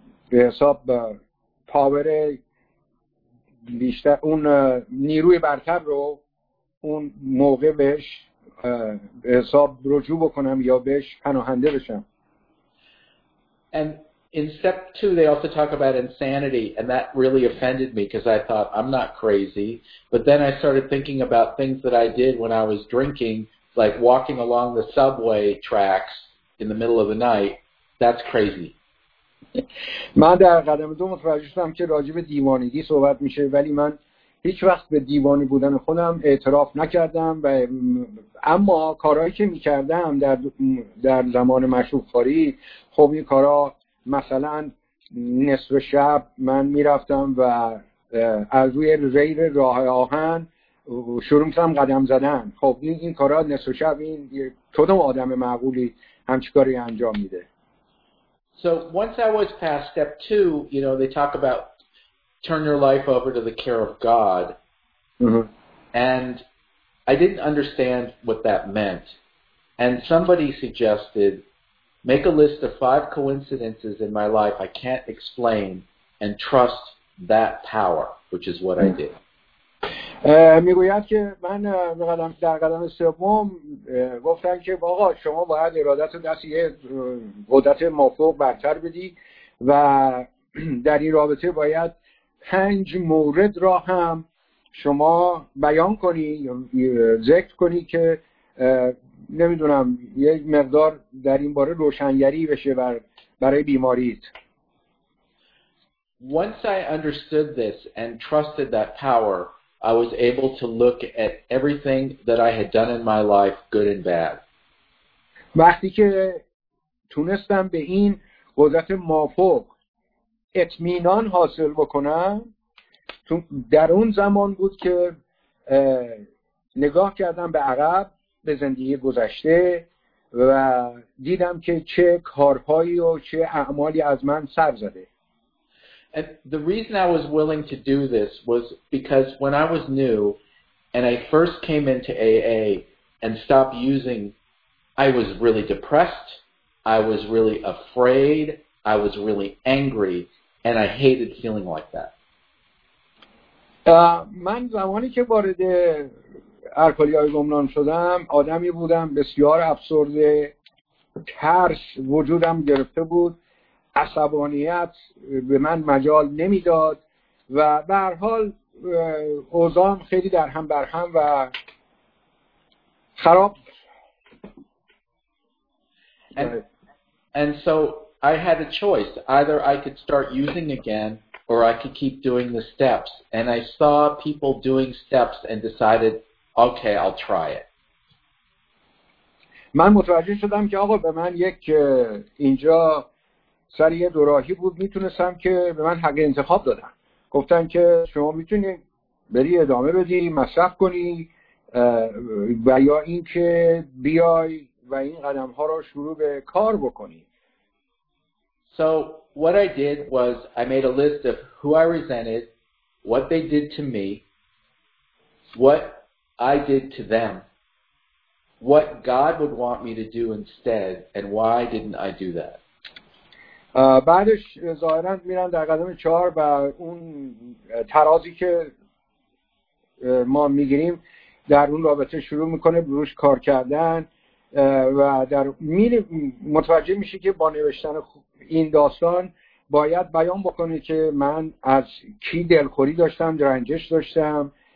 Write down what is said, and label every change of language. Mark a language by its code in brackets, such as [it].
[fa] به حساب پاور بیشتر اون نیروی برتر رو اون موقع بهش به حساب رجوع بکنم یا بهش پناهنده بشم. [en] And in step 2 they also talk about insanity, and that really offended me because I thought I'm not crazy, but then I started thinking about things that I did when I was drinking like walking along the subway tracks in the middle of the night, that's crazy. [fa] من در قدم دو متوجه شدم که راجع به دیوانگی صحبت میشه، ولی من هیچ وقت به دیوانه بودن خودم اعتراف نکردم، و اما کارهایی که میکردم در زمان مشروب‌خوری، خب این کارها مثلا نصف شب من میرفتم و از روی ریل راه آهن شروع میکردم قدم زدن. خب این کارها نصف شب، این کدوم آدم معقولی همچی کاری انجام میده؟ [en] So once I was past step two, you know, they talk about turn your life over to the care of God. Mm-hmm. And I didn't understand what that meant. And somebody suggested make a list of five coincidences in my life I can't explain and trust that power, which is what I did. [fa] میگوید که من در قدم سوم گفتن که آقا شما باید ارادت و دست یه قدرت مافوق برتر بدی، و در این رابطه باید پنج مورد را هم شما بیان کنی، ذکر کنی که نمیدونم یه مقدار در این باره روشنگری بشه برای بیماریت. [en] Once I understood this and trusted that power, I was able to look at everything that I had done in my life, good and bad. [fa] وقتی که تونستم به این قدرت مافوق اطمینان حاصل بکنم، در اون زمان بود که نگاه کردم به عقب، به زندگی گذشته، و دیدم که چه کارهایی و چه اعمالی از من سر زده. [en] And the reason I was willing to do this was because when I was new and I first came into AA and stopped using, I was really depressed, I was really afraid, I was really angry, and I hated feeling like that. [fa] من زمانی که وارد الکلی‌های گمنام شدم، آدمی بودم بسیار افسرده، ترس وجودم گرفته بود، عصبانیت به من مجال نمیداد، و به هر حال اوضاعم خیلی در هم بر هم و خراب. [en] And so I had a choice. Either I could start using again or I could keep doing the steps. And I saw people doing steps and decided, okay, I'll try it. [fa] من متوجه شدم که آقا به من یک اینجا سر یه دوراهی بود، میتونستم که به من حق انتخاب دادن، گفتن که شما میتونی بری ادامه بدی، مصرف کنی، و یا اینکه بیای و این قدم ها را شروع به کار بکنی. [en] So what I did was I made a list of who I resented, what they did to me, what I did to them, what God would want me to do instead, and why didn't I do that. [fa] بعدش ظاهرن میرن در قدم چهار و اون ترازی که ما میگیریم در اون رابطه شروع میکنه بروش کار کردن، و در میره متوجه میشه که با نوشتن این داستان باید بیان بکنه که من از کی دلخوری داشتم، رنجش داشتم،